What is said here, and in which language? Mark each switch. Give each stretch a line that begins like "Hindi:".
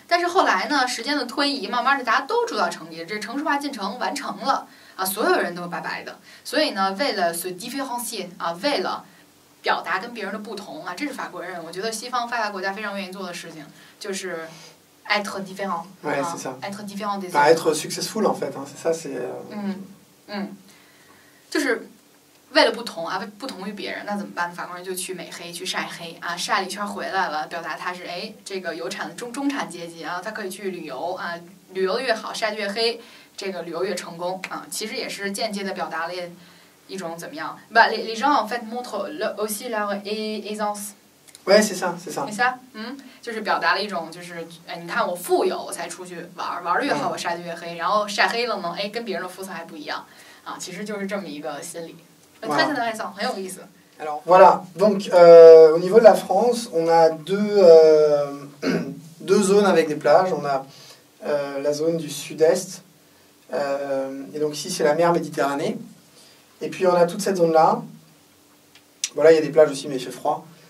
Chinese: 但是后来呢，时间的推移，慢慢的大家都住到城里，这城市化进程完成了啊，所有人都白白的。所以呢，为了 se différencier 啊，为了表达跟别人的不同啊，这是法国人，我觉得西方发达国家非常愿意做的事情，就是 être différent。
French: 哎，c'est ça。 être différent des autres。 être successful en fait, c'est ça, c'est.
Chinese: 就是。为了不同啊，不同于别人，那怎么办？法国人就去美黑，去晒黑啊，晒了一圈回来了，表达他是哎，这个有产的中产阶级啊，他可以去旅游啊，旅游的越好，晒得越黑，这个旅游越成功啊，其实也是间接的表达了一种怎么样 ？
French: But les gens en fait montrent aussi leur aisance. Ouais, c'est ça, c'est ça. C'est ça.
Chinese: 就是表达了一种就是哎，你看我富有，我才出去玩，玩的越好，我晒得越黑，然后晒黑了呢，哎，跟别人的肤色还不一样啊，其实就是这么一个心理。
French: Voilà. Très intéressant, très
Chinese: 有意思.
French: Alors, voilà, donc au niveau de la France, on a deux zones avec des plages. On a la zone du sud-est, et donc ici c'est la mer Méditerranée. Et puis on a toute cette zone-là, voilà, il y a des plages aussi, mais il fait froid.